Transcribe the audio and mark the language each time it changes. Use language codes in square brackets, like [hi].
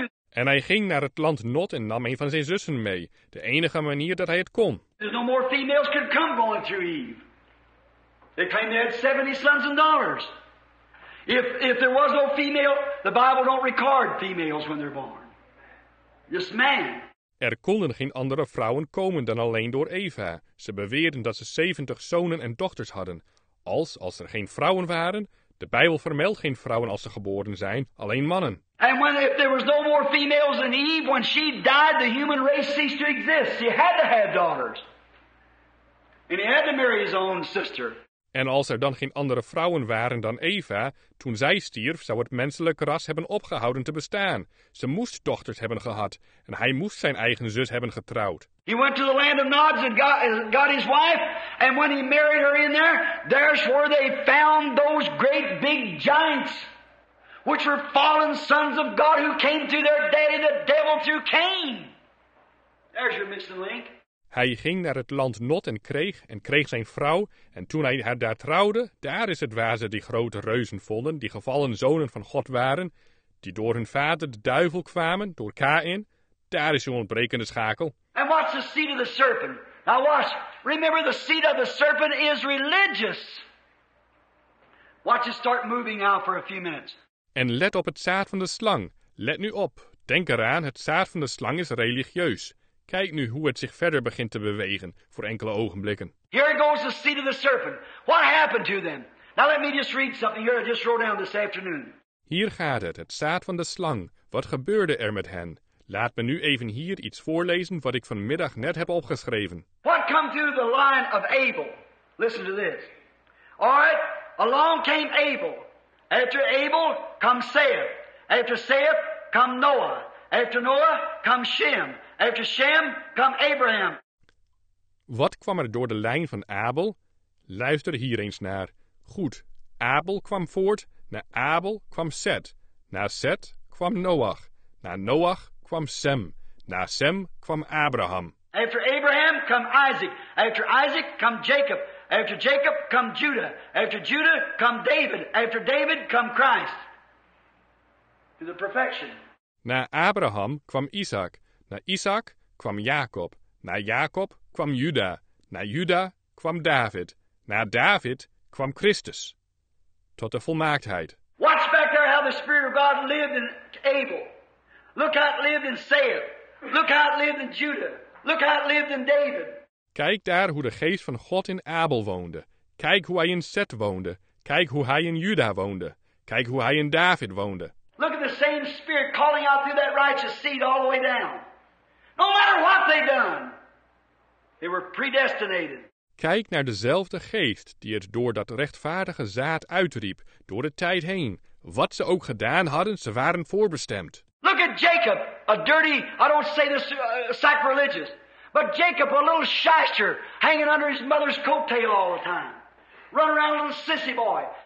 [nl] En hij ging naar het land Nod en nam een van zijn zussen mee, de enige manier dat hij het kon. [en] There's no more females could come going through Eve. They claimed they had 70 sons and daughters. If there was no female, the Bible don't record females when they're born. Just man. [nl] Er konden geen andere vrouwen komen dan alleen door Eva. Ze beweerden dat ze 70 zonen en dochters hadden. Als er geen vrouwen waren, de Bijbel vermeldt geen vrouwen als ze geboren zijn, alleen mannen. [en] And when there was no more females than Eve, when she died, the human race ceased to exist. She had to have daughters. And he had to marry his own sister. [nl] En als er dan geen andere vrouwen waren dan Eva, toen zij stierf, zou het menselijke ras hebben opgehouden te bestaan. Ze moest dochters hebben gehad en hij moest zijn eigen zus hebben getrouwd. [en] He went to the land of Nods and got his wife, and when he married her in there, there's where they found those great big giants, which were fallen sons of God who came to their daddy, the devil, through Cain. There's your missing link. [nl] Hij ging naar het land Nod en kreeg zijn vrouw, en toen hij haar daar trouwde, daar is het waar ze die grote reuzen vonden, die gevallen zonen van God waren, die door hun vader de duivel kwamen, door Kain. Daar is uw ontbrekende schakel. En wat is de seed van de serpent? [en] Now watch, remember the seed of the serpent is religious. Watch it start moving out for a few minutes. [nl] En let op het zaad van de slang. Let nu op, denk eraan, het zaad van de slang is religieus. Kijk nu hoe het zich verder begint te bewegen voor enkele ogenblikken. [en] Here goes the seed of the serpent. What happened to them? Now let me just read something here I just wrote down this afternoon. [nl] Hier gaat het zaad van de slang. Wat gebeurde er met hen? Laat me nu even hier iets voorlezen wat ik vanmiddag net heb opgeschreven. [en] What come through the line of Abel? Listen to this. All right, along came Abel. After Abel come Seth. After Seth come Noah. After Noah come Shem. After Shem, come Abraham. [nl] Wat kwam er door de lijn van Abel? Luister hier eens naar. Goed, Abel kwam voort. Na Abel kwam Seth. Na Seth kwam Noach. Na Noach kwam Sem. Na Sem kwam Abraham. [en] After Abraham, come Isaac. After Isaac, come Jacob. After Jacob, come Judah. After Judah, come David. After David, come Christ. To the perfection. [nl] Na Abraham kwam Isaac. Na Isaac kwam Jacob, na Jacob kwam Juda, na Juda kwam David, na David kwam Christus, tot de volmaaktheid. [en] Watch back there how the Spirit of God lived in Abel. Look how it lived in Seth. Look how it lived in Judah. Look how it lived in David. [nl] Kijk daar hoe de geest van God in Abel woonde. Kijk hoe hij in Seth woonde. Kijk hoe hij in Juda woonde. Kijk hoe hij in David woonde. [en] Look at the same Spirit calling out through that righteous seed all the way down. No matter what they done, they were predestinated. [nl] Kijk naar dezelfde geest die het door dat rechtvaardige zaad uitriep, door de tijd heen. Wat ze ook gedaan hadden, ze waren voorbestemd. [en] Look at Jacob, a dirty, I don't say this sacrilegious, but Jacob, a little shyster, hanging under his mother's coattail all the time. Run around a little sissy boy.